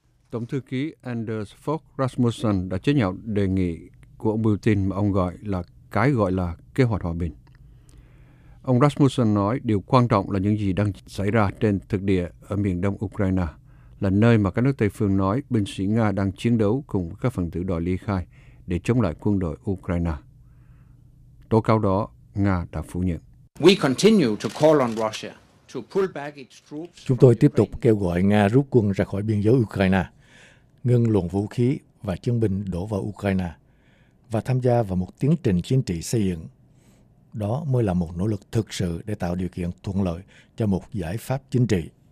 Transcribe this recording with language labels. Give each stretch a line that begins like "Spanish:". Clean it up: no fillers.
Vietnamese: Tổng thư ký Anders Fogh Rasmussen đã chế nhạo đề nghị của ông Putin mà ông gọi là cái gọi là kế hoạch hòa bình. Ông Rasmussen nói điều quan trọng là những gì đang xảy ra trên thực địa ở miền đông Ukraine, là nơi mà các nước Tây phương nói binh sĩ Nga đang chiến đấu cùng các phần tử đòi ly khai để chống lại quân đội Ukraine. Tố cáo đó, Nga đã phủ nhận.
English: We continue to call on Russia to pull back its troops.
Vietnamese: Chúng tôi tiếp tục kêu gọi Nga rút quân ra khỏi biên giới Ukraine, ngưng luồng vũ khí và chiến binh đổ vào Ukraine và tham gia vào một tiến trình chính trị xây dựng. Đó mới là một nỗ lực thực sự để tạo điều kiện thuận lợi cho một giải pháp chính trị.